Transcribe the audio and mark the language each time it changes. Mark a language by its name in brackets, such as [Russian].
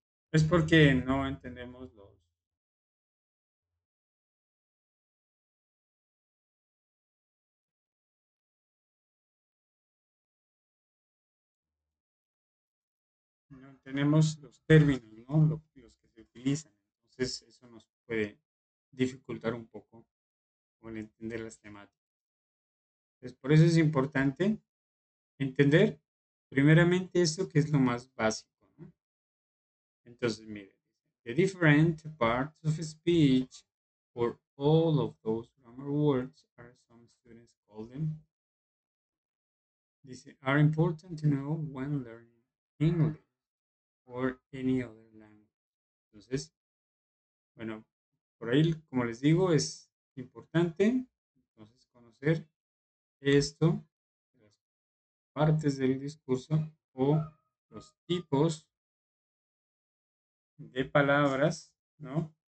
[Spanish] Es porque no entendemos los términos, ¿no? Los que se utilizan. Entonces, eso nos puede dificultar un poco con entender las temáticas. Entonces, por eso es importante entender primeramente esto, que es lo más básico, ¿no? Entonces, mire, [English] the different parts of speech for all of those grammar words are, some students call them, [Spanish] dice, [English] are important to know when learning English or any other language. [Spanish] Entonces, bueno, por ahí, como les digo, es importante entonces conocer esto, las partes del discurso o los tipos de palabras, ¿no?